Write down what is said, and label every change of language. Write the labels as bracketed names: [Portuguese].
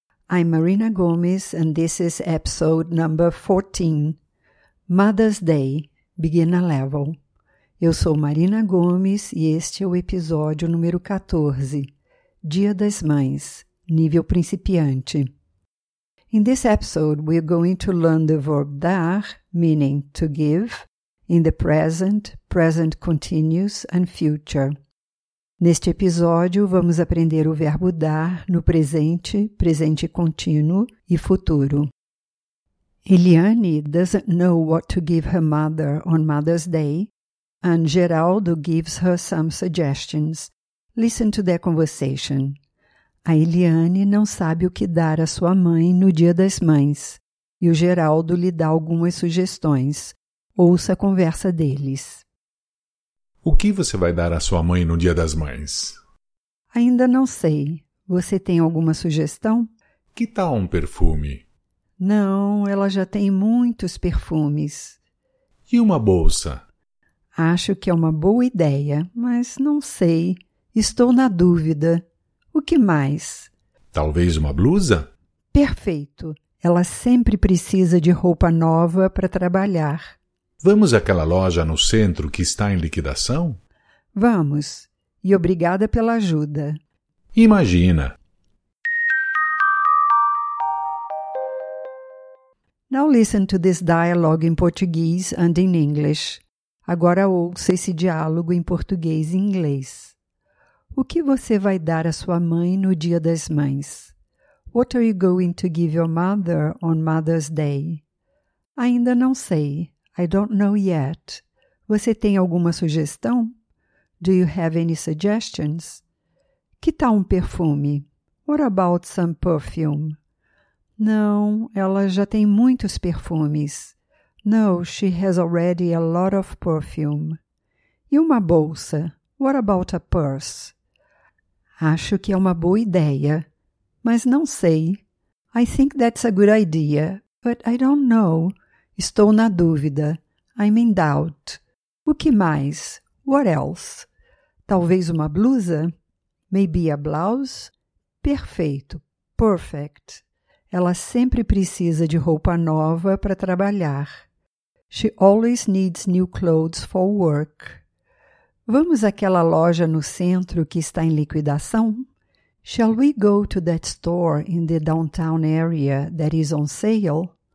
[English] I'm Marina Gomes and this is episode number 14. Mother's Day, Beginner Level. [Portuguese] Eu sou Marina Gomes e este é o episódio número 14. Dia das Mães, Nível Principiante. [English] In this episode, we're going to learn the verb dar, meaning to give, in the present, present continuous, and future. [Portuguese] Neste episódio, vamos aprender o verbo dar no presente, presente contínuo e futuro. [English] Eliane doesn't know what to give her mother on Mother's Day, and Geraldo gives her some suggestions. Listen to their conversation. [Portuguese] A Eliane não sabe o que dar à sua mãe no Dia das Mães, e o Geraldo lhe dá algumas sugestões. Ouça a conversa deles. O que você vai dar à sua mãe no Dia das Mães? Ainda não sei. Você tem alguma sugestão? Que tal um perfume? Não, ela já tem muitos perfumes. E uma bolsa? Acho que é uma boa ideia, mas não sei. Estou na dúvida. O que mais? Talvez uma blusa? Perfeito. Ela sempre precisa de roupa nova para trabalhar. Vamos àquela loja no centro que está em liquidação? Vamos. E obrigada pela ajuda. Imagina. [English] Now listen to this dialogue in Portuguese and in English. [Portuguese] Agora ouça esse diálogo em português e inglês. O que você vai dar à sua mãe no Dia das Mães? [English] What are you going to give your mother on Mother's Day? [Portuguese] Ainda não sei. [English] I don't know yet. [Portuguese] Você tem alguma sugestão? [English] Do you have any suggestions? [Portuguese] Que tal um perfume? [English] What about some perfume? [Portuguese] Não, ela já tem muitos perfumes. [English] No, she has already a lot of perfume. [Portuguese] E uma bolsa? [English] What about a purse? [Portuguese] Acho que é uma boa ideia, mas não sei. [English] I think that's a good idea, but I don't know. [Portuguese] Estou na dúvida. [English] I'm in doubt. [Portuguese] O que mais? [English] What else? [Portuguese] Talvez uma blusa? [English] Maybe a blouse? [Portuguese] Perfeito. [English] Perfect. [Portuguese] Ela sempre precisa de roupa nova para trabalhar. [English] She always needs new clothes for work. [Portuguese] Vamos àquela loja no centro que está em liquidação? [English] Shall we go to that store in the downtown area that is on sale?